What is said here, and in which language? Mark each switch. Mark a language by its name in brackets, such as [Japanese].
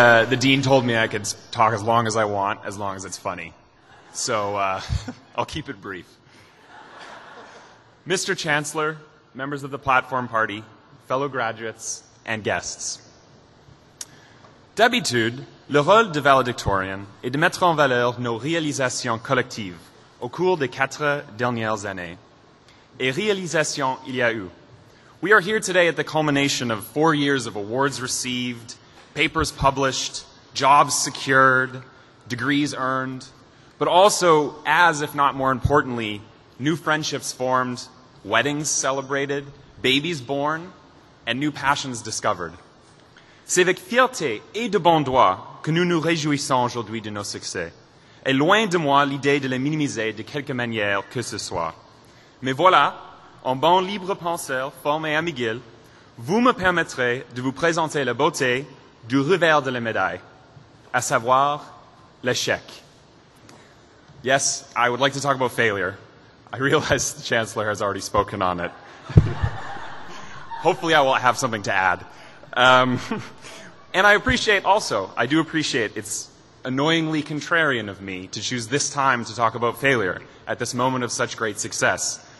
[English] The dean told me I could talk as long as I want, as long as it's funny. So I'll keep it brief. Mr. Chancellor, members of the platform party, fellow graduates, and guests. [French] D'habitude, le rôle de valedictorien est de mettre en valeur nos réalisations collectives au cours des quatre dernières années. Et réalisations, il y a eu. [English] We are here today at the culmination of 4 years of awards received, papers published, jobs secured, degrees earned, but also, as if not more importantly, new friendships formed, weddings celebrated, babies born, and new passions discovered. [French] C'est avec fierté et de bon droit que nous nous réjouissons aujourd'hui de nos succès. Et loin de moi l'idée de les minimiser de quelque manière que ce soit. Mais voilà, en bon libre penseur, formé à McGill, vous me permettrez de vous présenter la beauté du revers de la médaille, à savoir l'échec. [English] Yes, I would like to talk about failure. I realize the Chancellor has already spoken on it. Hopefully I will have something to add. And I appreciate also, I do appreciate it's annoyingly contrarian of me to choose this time to talk about failure at this moment of such great success.